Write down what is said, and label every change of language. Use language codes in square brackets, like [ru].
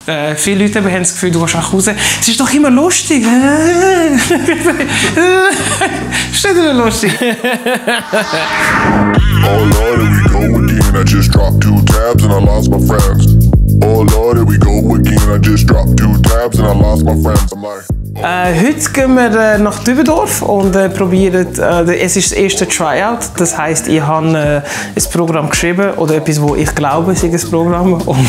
[de] Viele Leute haben das Gefühl, du gehst nach Hause. Es ist doch immer lustig. Ist das nicht lustig? [en] Oh Lord, we go again. I just dropped two tabs and I lost my friends. Oh Lord, we go again. I just dropped two tabs and I lost my friends. I'm like. [de] Heute gehen wir nach Dübendorf und probieren. Es ist das erste Tryout. Das heisst, ich habe ein Programm geschrieben oder etwas, wo ich glaube, es ist ein Programm.